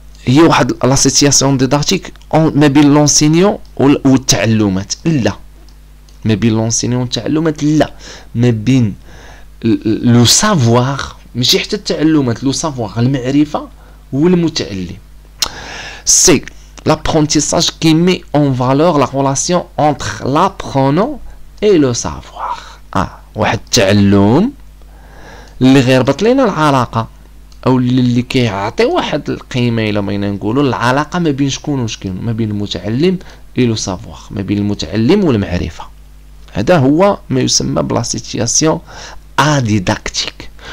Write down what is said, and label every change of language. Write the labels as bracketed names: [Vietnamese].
[Arabic] هي واحد لا سيتياسيون ديداكتيك ما بين لونسينيون والتعلمات، لا ما بين لونسينيون والتعلمات، لا ما بين لو سافوار، ماشي حتى التعلمات، لو سافوار المعرفه والمتعلم. [French] سي l'apprentissage qui met en valeur la relation entre l'apprenant et le savoir. [Arabic] Ah, واحد التعلم اللي غيربط لينا العلاقه او اللي كيعطي واحد القيمه، الا بغينا نقولوا العلاقه ما بين شكون وشكون، ما بين المتعلم اي لو سافوار، ما بين المتعلم والمعرفه. هذا هو ما يسمى بلا سيتياسيون ديداكتيك.